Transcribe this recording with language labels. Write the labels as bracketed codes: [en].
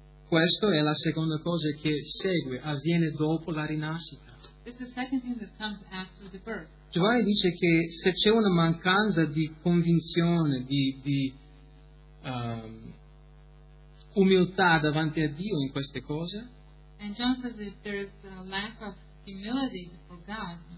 [it] Questo è la seconda cosa che segue, avviene dopo la rinascita. [en] It's the second thing that comes after the birth. [it] Giovanni dice che se c'è una mancanza di convinzione, di umiltà davanti a Dio in queste cose, [en] and John says if there is a lack of humility before God,